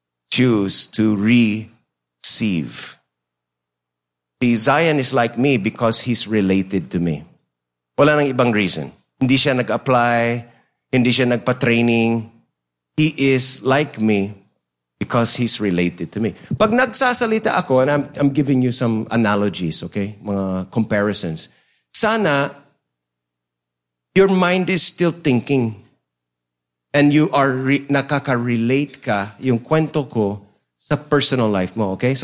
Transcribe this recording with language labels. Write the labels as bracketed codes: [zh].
[en] Choose to receive. See, Zion is like me because he's related to me. [tl] Wala nang ibang reason. Hindi siya nag-apply, hindi siya nagpa-training. [en] He is like me because he's related to me. [tl] Pag nagsasalita ako, [en] and I'm giving you some analogies, okay? Mga comparisons. Sana your mind is still thinking and you are [tl] nakaka-relate ka yung kwento ko sa [en] personal life mo, okay?